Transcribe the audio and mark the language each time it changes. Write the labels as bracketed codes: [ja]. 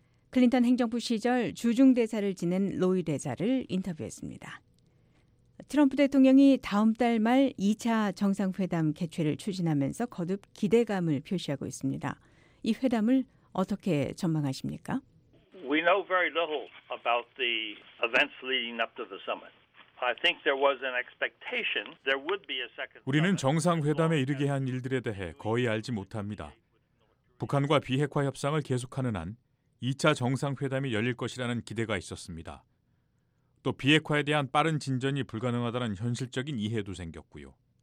[ko] 클린턴 행정부 시절 주중대사를 지낸 로이 대사를 인터뷰했습니다. 트럼프 대통령이 다음 달 말 2차 정상회담 개최를 추진하면서 거듭 기대감을 표시하고 있습니다. 이 회담을 어떻게 전망하십니까? [en] We know very little about the events leading up to the summit. I think there was an expectation there would be a second. [ko] 우리는 정상회담에 이르게 한 일들에 대해 거의 알지 못합니다. 북한과 비핵화 협상을 계속하는 한 2차 정상회담이 열릴 것이라는 기대가 있었습니다. 또 비핵화에 대한 빠른 진전이 불가능하다는 현실적인 이해도 생겼고요.